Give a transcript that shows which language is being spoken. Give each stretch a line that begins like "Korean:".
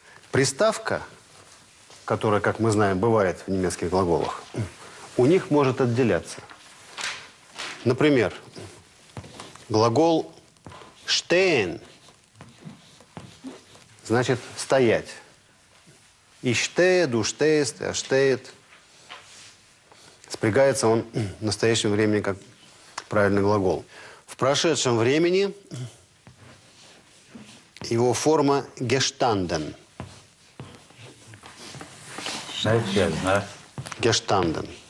Russian: Приставка, которая, как мы знаем, бывает в немецких глаголах, у них может отделяться. Например, глагол stehen значит стоять.
German: Ich stehe, du stehst, er steht.
Russian: Спрягается он в настоящем времени как правильный глагол. В прошедшем времени его форма gestanden.
German: Gestanden.